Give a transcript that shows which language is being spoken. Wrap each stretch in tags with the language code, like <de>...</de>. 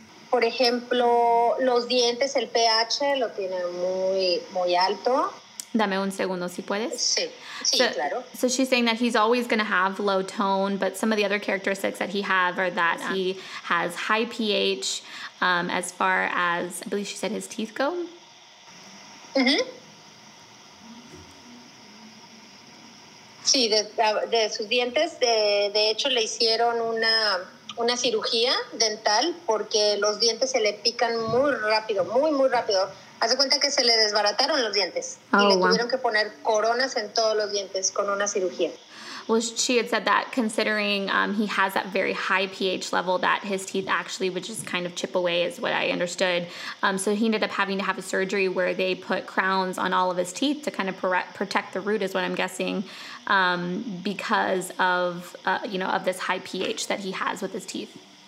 <es>Por ejemplo, los dientes, el pH lo tiene muy, muy alto. Dame un segundo, si puedes. Sí, claro.</es> <en>So she's saying that he's always going to have low tone, but some of the other characteristics that he have are that he has high pH as far as, I believe she said his teeth go. Mm-hmm.</en> <es>Sí, de sus dientes, de hecho le hicieron una cirugía dental porque los dientes se le pican muy rápido, muy, muy rápido. Haz de cuenta que se le desbarataron los dientes tuvieron que poner coronas en todos los dientes con una cirugía.</es> <en>Well, she had said that considering he has that very high pH level that his teeth actually would just kind of chip away is what I understood. So he ended up having to have a surgery where they put crowns on all of his teeth to kind of protect the root is what I'm guessing because of, you know, of this high pH that he has with his teeth.</en>